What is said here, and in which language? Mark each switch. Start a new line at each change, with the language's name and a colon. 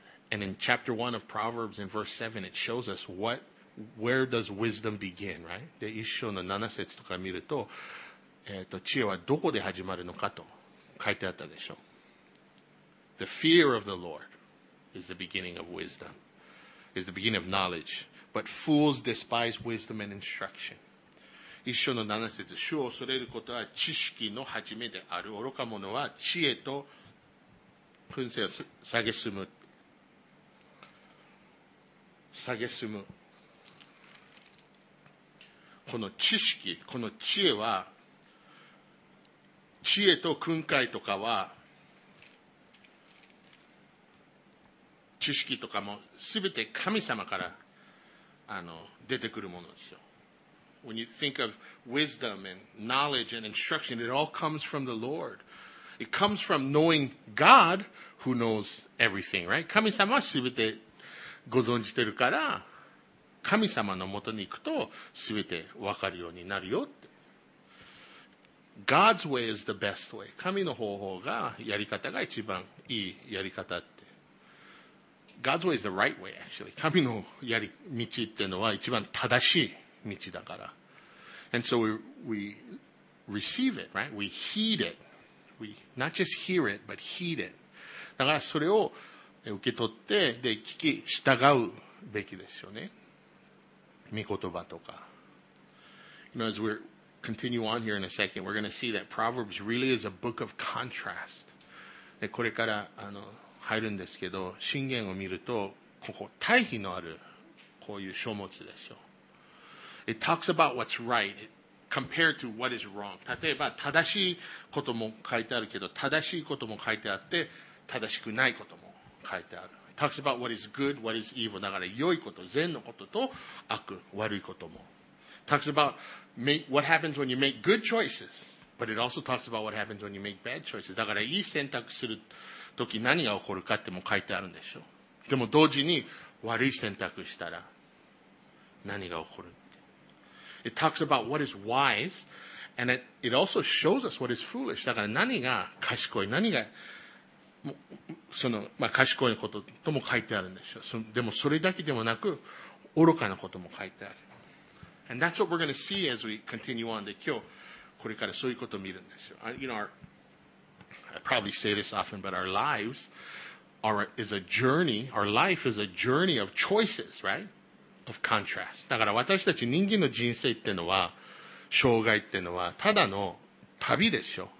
English: And in chapter 1 of Proverbs in verse 7 it shows us where does wisdom begin, right?
Japanese: で、一章の7節とか見ると、知恵はどこで始まるのかと書いてあったでしょ。
English: The fear of the Lord is the beginning of wisdom. Is the beginning of knowledge, but fools despise wisdom and instruction.
Japanese: 一章の七節、主を恐れることは知識の始めである。愚か者は知恵と訓示を蔑む。この知識、この知恵は、知恵と訓戒とかは。知識とかもすべて神様から出てくるものですよ。
English: When you think of wisdom and knowledge and instruction, it all comes from the Lord. It comes from knowing God who knows everything, right?
Japanese: 神様は全てご存じてるから、神様のもとに行くと全てわかるようになるよって。
English: God's way is the best way.
Japanese: 神の方法が、やり方が一番いいやり方って。
English: God's way is the right way, actually.
Japanese: 神のやり道っていうのは一番正しい道だから。
English: And so we receive it, right? We heed it. We not just hear it, but heed it.
Japanese: だからそれを受け取って、で、聞き、従うべきですよね。御言葉とか。
English: You know, as we're continue on here in a second, we're going to see that Proverbs really is a book of contrast.
Japanese: で、これから、入るんですけど、箴言を見ると、ここ、対比のある、こういう書物でしょ。
English: It talks about what's right compared to what is wrong.
Japanese: 例えば、正しいことも書いてあるけど、正しいことも書いてあって、正しくないことも書いてある。
English: It talks about what is good, what is evil.
Japanese: だから、良いこと、善のことと悪、悪いことも。
English: Talks about what happens when you make good choices. But it also talks about what happens when you make bad choices.
Japanese: だから、いい選択するとき何が起こるかっても書いてあるんでしょう。でも、同時に、悪い選択したら何が起こる。
English: It talks about what is wise, and it also shows us what is foolish.
Japanese: だから何が賢い、何が、その、まあ、賢いこととも書いてあるんでしょう。でもそれだけでもなく、愚かなことも書いてある。
English: And that's what we're going to see as we continue on.
Japanese: で、今日、これからそういうことを見るんですよ。
English: You know, I probably say this often, but our life is a journey of choices, right? Of contrast.
Japanese: だから私たち人間の人生ってのは、障害ってのは、ただの旅でしょ。